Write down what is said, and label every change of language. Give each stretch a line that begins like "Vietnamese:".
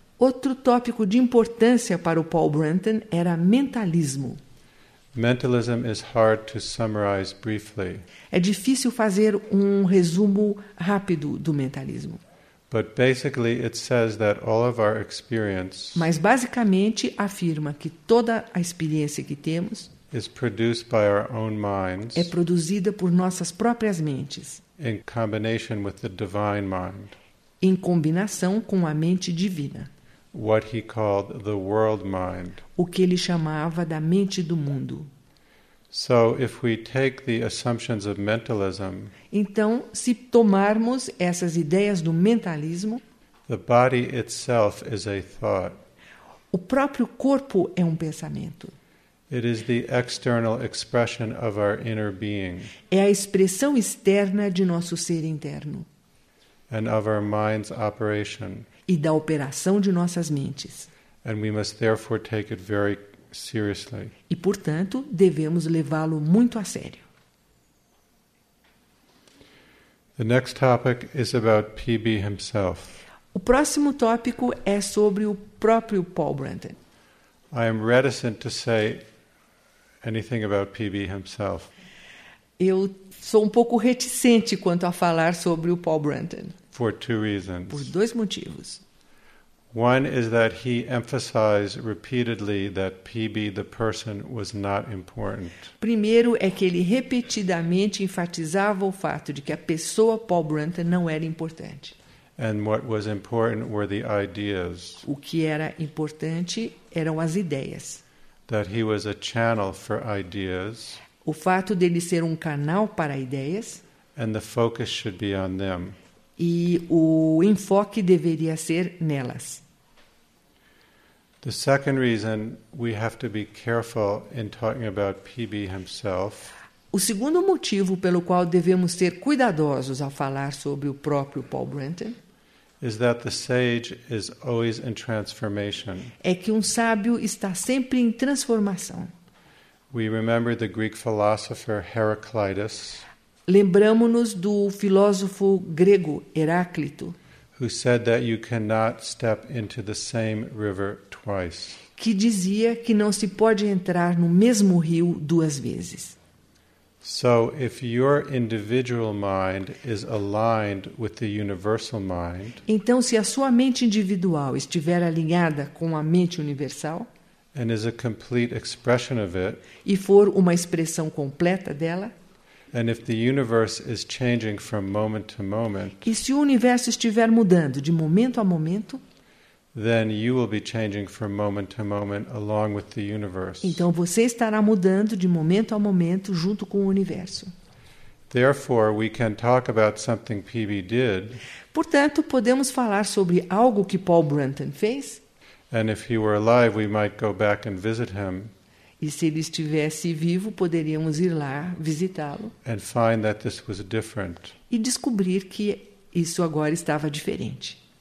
Portuguese: Outro tópico de importância para o Paul Branton era mentalismo.
English: Mentalism is hard to summarize briefly.
Portuguese: É difícil fazer um resumo rápido do mentalismo.
English: But basically it says that all of our experience.
Portuguese: Mas basicamente afirma que toda a experiência que temos
English: is produced by our own minds.
Portuguese: É produzida por nossas próprias mentes.
English: In combination with the divine mind.
Portuguese: Em combinação com a mente divina.
English: What he called the world mind.
Portuguese: O que ele chamava da mente do mundo.
English: So if we take the assumptions of mentalism.
Portuguese: Então, se tomarmos essas ideias do mentalismo,
English: the body itself is a thought.
Portuguese: O próprio corpo é um pensamento.
English: It is the external expression of our inner being.
Portuguese: É a expressão externa de nosso ser interno.
English: And of our mind's operation.
Portuguese: E da operação de nossas mentes.
English: And we must therefore take it very seriously.
Portuguese: E, portanto, devemos levá-lo muito a sério.
English: The next topic is about PB himself.
Portuguese: O próximo tópico é sobre o próprio Paul Branton.
English: I am reticent to say anything about PB himself.
Portuguese: Eu sou um pouco reticente quanto a falar sobre o Paul Branton.
English: For two reasons.
Portuguese: Por dois motivos.
English: One is that he emphasized repeatedly that PB the person was not important.
Portuguese: Primeiro é que ele repetidamente enfatizava o fato de que a pessoa Paul Branton não era importante.
English: And what was important were the ideas.
Portuguese: O que era importante eram as ideias.
English: That he was a channel for ideas.
Portuguese: O fato dele ser um canal para ideias.
English: And the focus should be on them.
Portuguese: E o enfoque deveria ser nelas.
English: The second reason we have to be careful in talking about PB himself.
Portuguese: O segundo motivo pelo qual devemos ser cuidadosos ao falar sobre o próprio Paul Branton
English: is that the sage is always in transformation.
Portuguese: É que um sábio está sempre em transformação.
English: We remember the Greek philosopher Heraclitus.
Portuguese: Lembramo-nos do filósofo grego Heráclito,
English: who said that you cannot step into the same river twice.
Portuguese: Que dizia que não se pode entrar no mesmo rio duas vezes.
English: So if your individual mind is aligned with the universal mind,
Portuguese: então se a sua mente individual estiver alinhada com a mente universal,
English: and is a complete expression of it,
Portuguese: e for uma expressão completa dela,
English: and if the universe is changing from moment to moment,
Portuguese: e se o universo estiver mudando de momento a momento,
English: then you will be changing from moment to moment along with the universe.
Portuguese: Então você estará mudando de momento a momento junto com o universo.
English: Therefore, we can talk about something PB did.
Portuguese: Portanto, podemos falar sobre algo que Paul Branton fez.
English: And if he were alive, we might go back and visit him.
Portuguese: E se ele estivesse vivo, poderíamos ir lá visitá-lo.
English: And find that this was different.
Portuguese: E descobrir que isso agora estava diferente.